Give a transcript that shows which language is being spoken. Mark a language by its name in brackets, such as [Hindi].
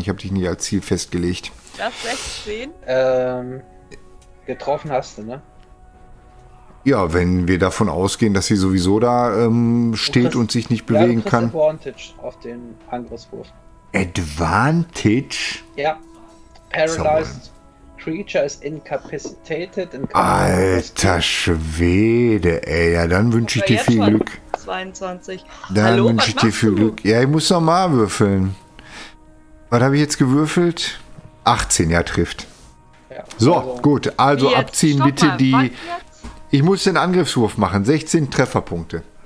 [German] Ich habe dich nicht als Ziel festgelegt. Das 16? Getroffen hast du, ne? Ja, wenn wir davon ausgehen, dass sie sowieso da steht und sich nicht bewegen kann. Advantage auf den Angriffswurf. Advantage? Ja. Paralyzed. So. [English] Creature is incapacitated. [German] Alter Schwede, ey. Ja, dann wünsche ich dir viel Glück. 22. Dann wünsche ich dir viel Glück. Ja, ich muss nochmal würfeln. Was habe ich jetzt gewürfelt? 18, ja, trifft. Ja. So, gut. Also abziehen bitte die... Ich muss den Angriffswurf machen. 16 Trefferpunkte.